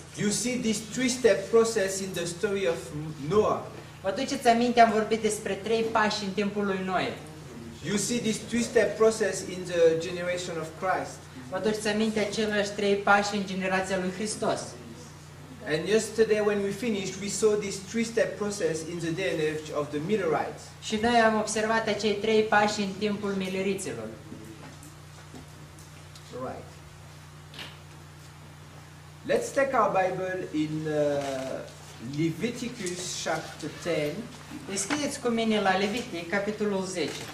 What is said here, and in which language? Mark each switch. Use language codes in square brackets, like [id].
[en] You see this three-step process in the story of Noah. [ro] Vă aduceți aminte, am vorbit despre trei pași în timpul lui Noe. [en] You see this three-step process in the generation of Christ. [ro] Vă aduceți aminte aceleași trei pași în generația lui Hristos. [en] And yesterday when we finished we saw this three-step process in the DNA of the Millerites. [ro] Și noi am observat acei trei pași în timpul mileriților. [en] Right. Let's take our Bible in Leviticus chapter 10. [ro] Deschideți cu mine la Levitic capitolul 10.